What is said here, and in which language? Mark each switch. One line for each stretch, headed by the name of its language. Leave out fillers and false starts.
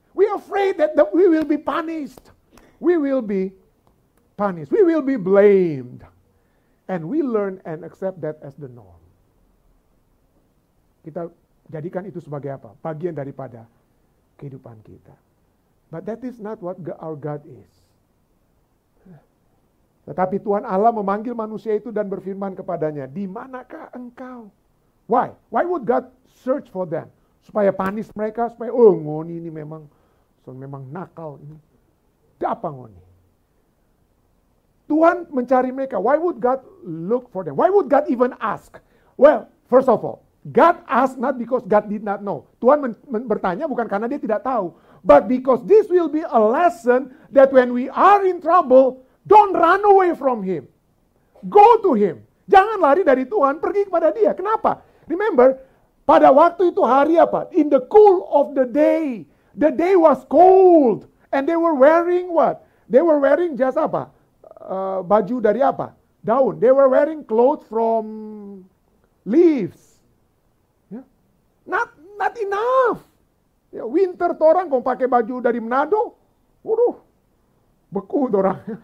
English: We afraid that we will be punished. We will be punished. We will be blamed. And we learn and accept that as the norm.
Indonesian: Kita jadikan itu sebagai apa? Bagian daripada kehidupan kita.
English: But that is not what our God is.
Indonesian: Tetapi Tuhan Allah memanggil manusia itu dan berfirman kepadanya, di manakah engkau? Why?
English: Why would God search for them?
Indonesian: Supaya panis mereka, supaya, oh ngoni ini memang, so memang nakal ini. Apa ngoni? Tuhan mencari mereka.
English: Why would God look for them? Why would God even ask? Well, first of all, God asked not because God did not know.
Indonesian: Tuhan bertanya bukan karena dia tidak tahu.
English: But because this will be a lesson that when we are in trouble, don't run away from him. Go to him.
Indonesian: Jangan lari dari Tuhan, pergi kepada dia. Kenapa? Remember, pada waktu itu hari apa?
English: In the cool of the day was cold. And they were wearing what? They were wearing just apa?
Indonesian: Baju dari apa? Daun.
English: They were wearing clothes from leaves. Yeah. Not enough.
Indonesian: Yeah, winter tuh orang kalau pakai baju dari Manado, waduh, beku tuh orang.